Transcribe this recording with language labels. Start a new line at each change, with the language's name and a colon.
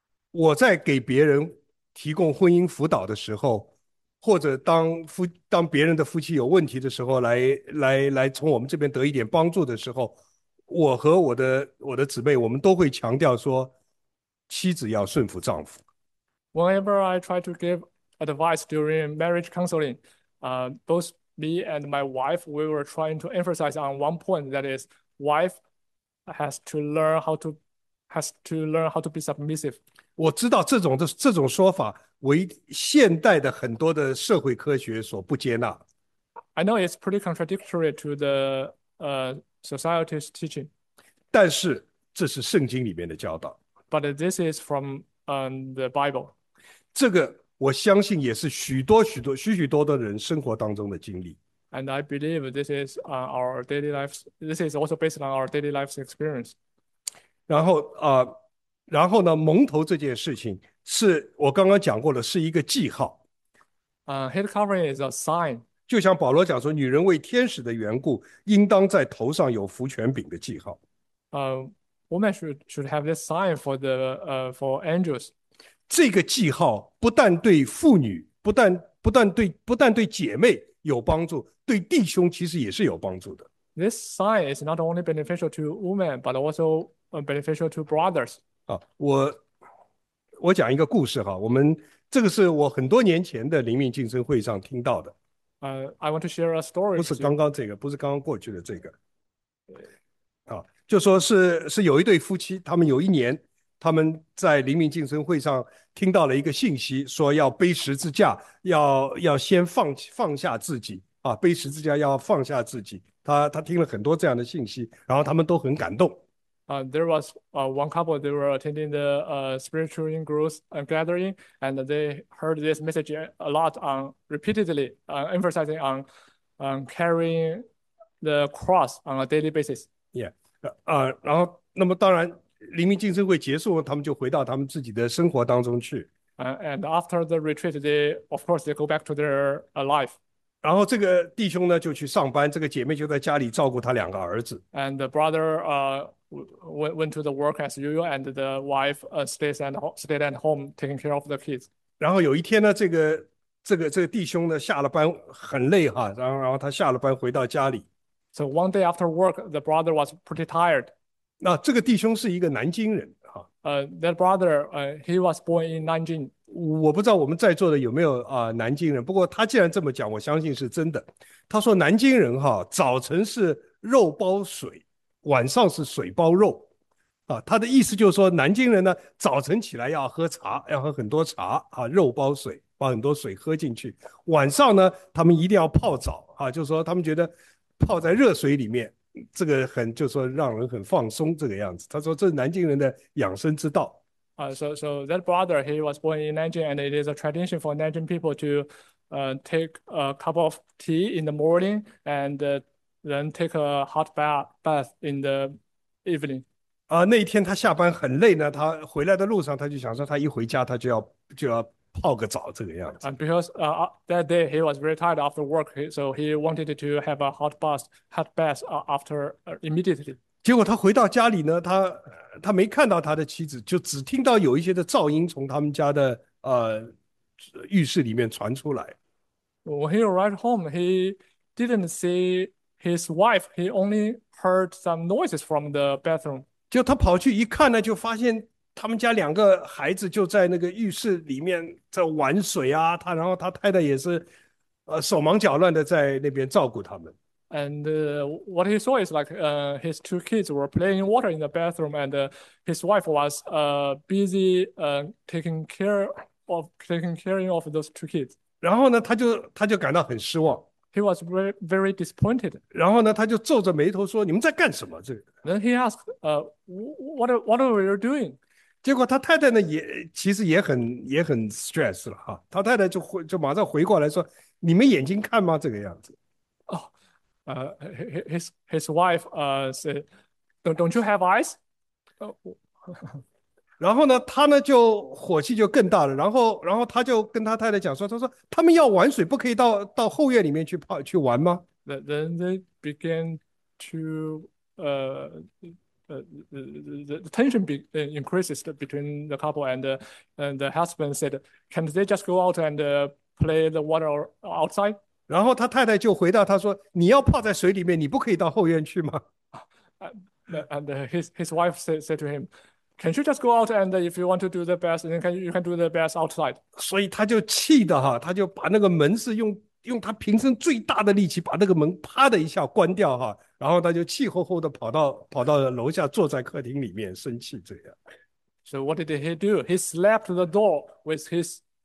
Chinese: 我在给别人提供婚姻辅导的时候，或者当别人的夫妻有问题的时候，来从我们这边得一点帮助的时候。我和我的姊妹，我们都会强调说，妻子要顺服丈夫。
English: Whenever I try to give advice during marriage counseling, both me and my wife, we were trying to emphasize on one point, that is, wife has to learn how to be submissive.
Chinese: 我知道这种说法为现代的很多的社会科学所不接纳。
English: I know it's pretty contradictory to the society's teaching,
Chinese: 但是这是圣经里面的教导，
English: but this is from the Bible.
Chinese: 这个我相信也是许多许多许许多多的人生活当中的经历。
English: And I believe this is our daily lives. This is also based on our daily lives experience.
Chinese: 然后呢，蒙头这件事情是我刚刚讲过的，是一个记号，
English: Head covering is a sign.
Chinese: 就像保罗讲说，女人为天使的缘故，应当在头上有福全柄的记号。
English: Women should have this sign for angels.
Chinese: 这个记号不但对妇女不但对姐妹有帮助，对弟兄其实也是有帮助的。
English: This sign is not only beneficial to women, but also beneficial to brothers.
Chinese: 啊，我讲一个故事哈，这个是我很多年前的灵命竞争会上听到的，
English: I want to share a story
Chinese: 不是
English: with you.
Chinese: 刚刚这个，不是刚刚过去的这个，啊，就说是有一对夫妻，他们有一年他们在灵命竞争会上听到了一个信息，说要背十字架，要先放下自己啊，背十字架要放下自己，他听了很多这样的信息，然后他们都很感动。
English: There was one couple. They were attending the spiritual growth gathering, and they heard this message a lot on repeatedly, emphasizing on carrying the cross on a daily basis.
Chinese: Yeah，然后那么当然，灵命竞争会结束，他们就回到他们自己的生活当中去。
English: And after the retreat, of course, they go back to their life.
Chinese: 然后这个弟兄呢就去上班，这个姐妹就在家里照顾他两个儿子。
English: And the brother went to the work as usual, and the wife stayed at home taking care of the kids.
Chinese: 然后有一天呢，这个弟兄呢下了班很累哈，然后他下了班回到家里。
English: So one day after work, the brother was pretty tired.
Chinese: 那这个弟兄是一个南京人啊，
English: That brother, he was born in Nanjing.
Chinese: 我不知道我们在座的有没有南京人，不过他既然这么讲，我相信是真的。他说南京人哈，早晨是肉包水，晚上是水包肉，啊，他的意思就是说南京人呢，早晨起来要喝茶，要喝很多茶啊，肉包水，把很多水喝进去，晚上呢，他们一定要泡澡啊，就是说他们觉得泡在热水里面。这个很，就说让人很放松，这个样子。他说这是南京人的养生之道。
English: So that brother, he was born in Nanjing, and it is a tradition for Nanjing people to take a cup of tea in the morning and then take a hot bath in the evening.
Chinese: 那一天他下班很累呢，他回来的路上他就想说，他一回家他就要泡个澡，这个样子。
English: And because that day he was very tired after work, so he wanted to have a hot bath immediately.
Chinese: 结果他回到家里呢，他没看到他的妻子，就只听到有一些的噪音从他们家的浴室里面传出来。
English: When he arrived home, he didn't see his wife. He only heard some noises from the bathroom.
Chinese: 就他跑去一看呢，就发现他们家两个孩子就在那个浴室里面在玩水啊，然后他太太也是手忙脚乱的在那边照顾他们。
English: And what he saw is like his two kids were playing water in the bathroom, and his wife was busy taking care of those two kids.
Chinese: 然后呢，他就感到很失望。
English: He was very, very disappointed.
Chinese: 然后呢，他就皱着眉头说：“你们在干什么？” 这个。
English: Then he asked, "What are you doing?"
Chinese: 结果他太太呢，也其实也很 stress 了哈。他太太就马上回过来说：“你们眼睛看吗？这个样子。
English: His wife said, "Don't you have eyes?"
Chinese: ”然后呢，他呢就火气就更大了。然后他就跟他太太讲说：“他说他们要玩水，不可以到后院里面去玩吗？”
English: Then they began to the tension increases between the couple, and the husband said, "Can't they just go out and play the water outside?"
Chinese: 然后他太太就回答他说：“你要泡在水里面，你不可以到后院去吗
English: And his wife said to him, "Can't you just go out and if you want to do the best, then you can do the best outside?" ？”
Chinese: 所以他就气的哈，他就把那个门是用他平生最大的力气把那个门啪的一下关掉哈，然后他就气吼吼的跑到楼下坐在客厅里面生气这样。
English: So what did he do? He slapped the door with his